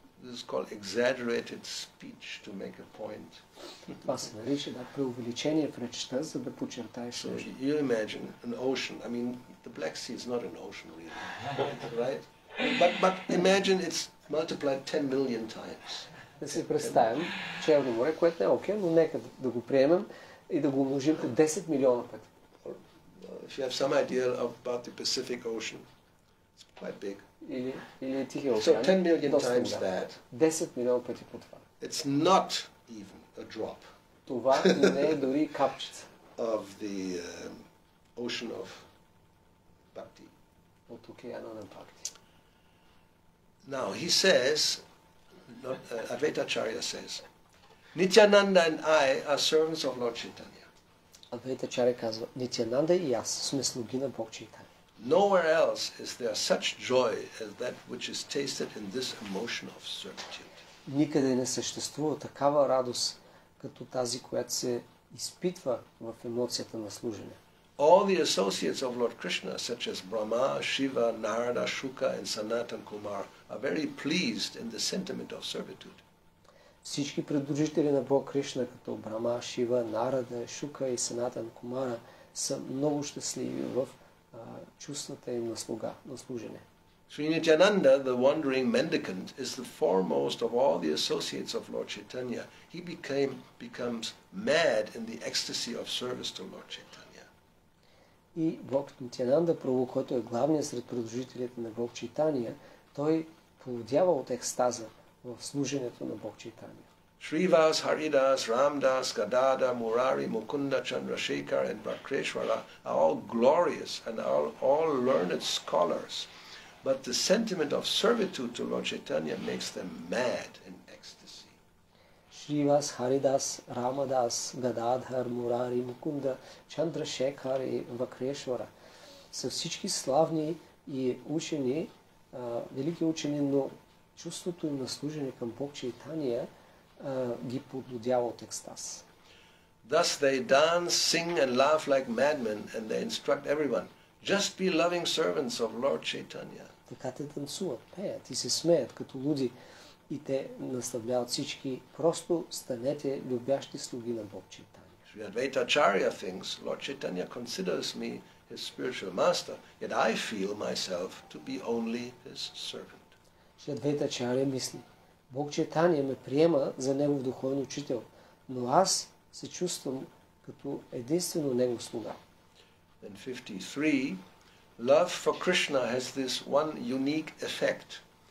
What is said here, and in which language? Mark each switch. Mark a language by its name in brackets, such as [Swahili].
[English] This is called exaggerated speech to make a point. [Bulgarian] Това се нарича да преувеличение в речта, за да подчертаеш. [English] So you imagine an ocean. I mean, the Black Sea is not an ocean, really, right? But imagine it's multiplied 10 million times. [Bulgarian] Да си представим, че едно море, което е океан, но нека да го приемем и да го умножим по 10 милиона пъти. [English] If you have some idea about the Pacific Ocean, it's quite big. So 10 million times that. [Bulgarian] 10 million пъти по това. [English] It's not even a drop. [Bulgarian] Това не е дори капчица. [English] Of the ocean of Bhakti. [Bulgarian] От океана на Бхакти. [English] Now he says, Advaita Acharya says, Nityananda and I are servants of Lord Chaitanya. [Bulgarian] Адвайта Ачарья казва, Нитянанда и аз сме слуги на Бог Чайтанья. [English] Nowhere else is there such joy as that which is tasted in this emotion of servitude. [Bulgarian] никъде не съществува такава радост, като тази, която се изпитва в емоцията на служене. [English] All the associates of Lord Krishna, such as Brahma, Shiva, Narada, Shuka and Sanatan Kumar, are very pleased in the sentiment of servitude. [Bulgarian] Всички придружители на Бог Кришна, като Брама, Шива, Нарада, Шука и Санатан Кумара, са много щастливи в чувствата им на слуга, на служене. [English] Шри Нитянанда, the wandering mendicant, is the foremost of all the associates of Lord Chaitanya. He becomes mad in the ecstasy of service to Lord Chaitanya. [Bulgarian] И Бог Нитянанда Прабху, който е главният сред придружителите на Бог Чайтания, той полудява от екстаза в служението на Бог Чайтанья. [English] Шривас, Харидас, Рамдас, Гадада, Мурари, Мукунда, Чандрашекар и Бракрешвара are all glorious and are all learned scholars. But the sentiment of servitude to Lord Chaitanya makes them mad in ecstasy. [Bulgarian] Шривас, Харидас, Рамадас, Гададхар, Мурари, Мукунда, Чандрашекар и Бракрешвара са всички славни и учени, велики учени, но чувството им на служение към Бог Чайтания ги подлудява от екстаз. [English] Thus they dance, sing and laugh like madmen and they instruct everyone, just be loving servants of Lord Chaitanya. [Bulgarian] Така те танцуват, пеят и се смеят като луди и те наставляват всички, просто станете любящи слуги на Бог Чайтания. [English] Шри Адвайта Ачаря thinks, Lord Chaitanya considers me his spiritual master, yet I feel myself to be only his servant. [Bulgarian] Адвайта Ачаря мисли, Бог Чайтания ме приема за Негов духовен учител, но аз се чувствам като единствено Негов слуга. [English] In 53, love for Krishna has this one unique effect.